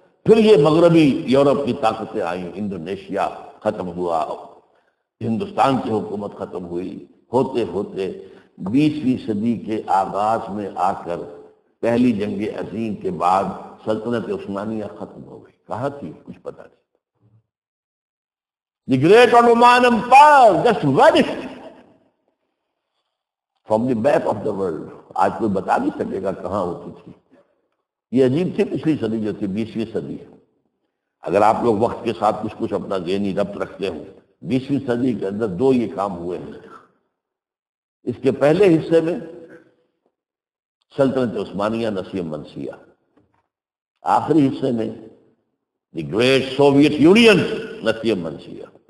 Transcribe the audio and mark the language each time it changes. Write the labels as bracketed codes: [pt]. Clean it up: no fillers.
[ur] پھر یہ مغربی یورپ کی طاقتیں آئیں, انڈونیشیا ختم ہوا, ہندوستان کی حکومت ختم ہوئی, ہوتے ہوتے 20ویں صدی کے آغاز میں آ کر پہلی جنگ عظیم کے بعد سلطنت عثمانیہ ختم ہو گئی. کہاں تھی کچھ پتا نہیں. [en] The great Ottoman Empire just vanished from the map of the world. [ur] آج کوئی بتا نہیں سکے گا کہاں ہوتی تھی. یہ عجیب تھی پچھلی صدی جو تھی 20ویں صدی. اگر آپ لوگ وقت کے ساتھ کچھ کچھ اپنا ذہنی ربط رکھتے ہو, 20ویں صدی کے اندر دو یہ کام ہوئے ہیں. اس کے پہلے حصے میں سلطنت عثمانیہ نصیب منسیہ, آخری حصے میں دی گریٹ سوویت یونین نصیب منسیہ.